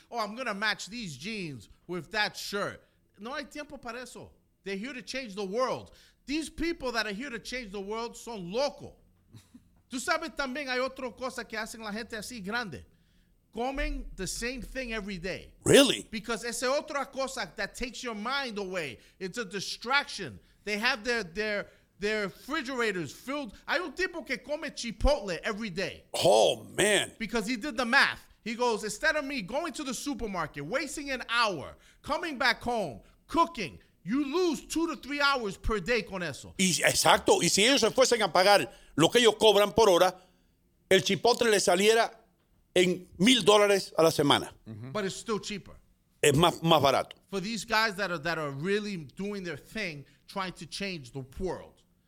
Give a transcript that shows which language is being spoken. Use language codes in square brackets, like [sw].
[en] Oh, I'm going to match these jeans with that shirt. [es] No hay tiempo para eso. [en] They're here to change the world. These people that are here to change the world [es] son loco. Tú sabes también hay otra cosa que hacen la gente así grande. [en] Comen the same thing every day. Really? Because [es] esa otra cosa [en] that takes your mind away. It's a distraction. They have their refrigerators filled. [es] Hay un tipo que come Chipotle [en] every day. Oh, man. Because he did the math. He goes, instead of me going to the supermarket, wasting an hour, coming back home, cooking. You lose 2 to 3 hours per day [es] con eso. Y, exacto. Y si ellos se fuesen a pagar lo que ellos cobran por hora, el chipotle le saliera en $1,000 a la semana. [en] Mm-hmm. But it's still cheaper. [es] Es más, más barato. [en] For these guys that are really doing their thing, trying to change the world.